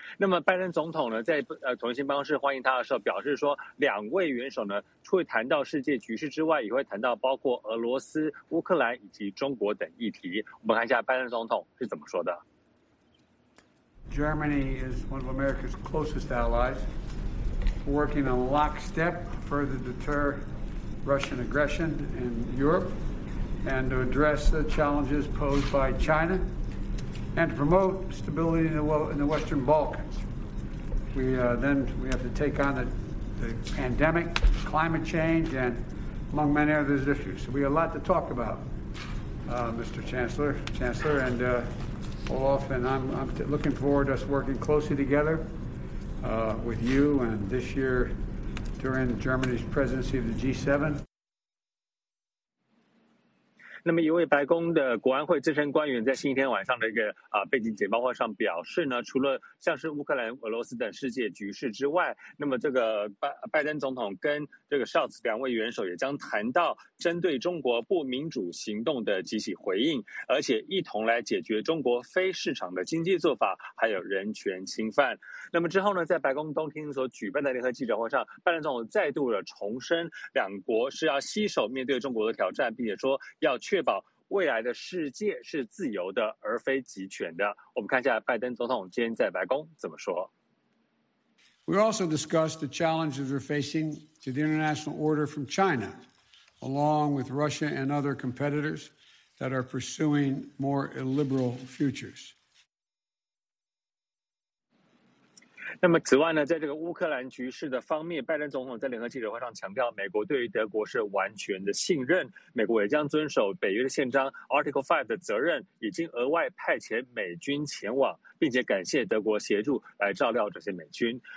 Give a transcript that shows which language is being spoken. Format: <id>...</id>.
<zh>那么拜登总统呢在椭圆形办公室欢迎他的时候，表示说两位元首呢会谈到世界局势之外，也会谈到包括俄罗斯、乌克兰以及中国等议题。我们看一下拜登总统是怎么说的。</zh> <en>Germany is one of America's closest allies. We're working in lockstep to further deter Russian aggression in Europe and to address the challenges posed by China and to promote stability in the Western Balkans. We have to take on the pandemic, climate change, and among many other issues. So we have a lot to talk about, Mr. Chancellor, and Olaf, and I'm looking forward to us working closely together with you and this year during Germany's presidency of the G7.</en> <zh>那么一位白宫的国安会资深官员在星期天晚上的一个背景简报会上表示呢，除了像是乌克兰、俄罗斯等世界局势之外，那么这个拜登总统跟这个 Scholz 两位元首也将谈到针对中国不民主行动的集体回应，而且一同来解决中国非市场的经济做法还有人权侵犯。那么之后呢，在白宫东厅所举办的联合记者会上，拜登总统再度的重申两国是要携手面对中国的挑战，并且说要确保未来的世界是自由的而非集权的。我们看一下拜登总统今天在白宫怎么说。</zh> <en>We also discussed the challenges we're facing to the international order from China, along with Russia and other competitors that are pursuing more illiberal futures.</en> <zh>那么此外呢，在这个乌克兰局势的方面，拜登总统在联合记者会上强调，美国对于德国是完全的信任，美国也将遵守北约的宪章 Article 5的责任，已经额外派遣美军前往，并且感谢德国协助来照料这些美军。</zh>